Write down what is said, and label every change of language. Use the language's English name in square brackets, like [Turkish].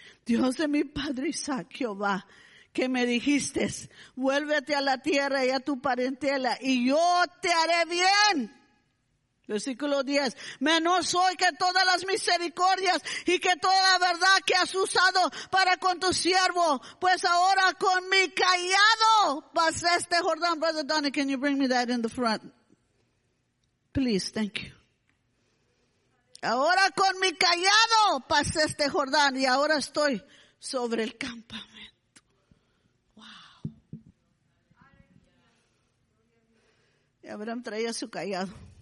[Spanish] Dios de mi padre Isaac, Jehová. Que me dijiste, vuélvete a la tierra y a tu parentela y yo te haré bien. Versículo 10. Menor soy que todas las misericordias y que toda la verdad que has usado para con tu siervo. Pues ahora con mi callado pasé este Jordán. [English] Brother Donnie, can you bring me that in the front? Please, thank you. [Spanish] Ahora con mi callado pasé este Jordán y ahora estoy sobre el campamento. Wow. Y Abraham traía su callado.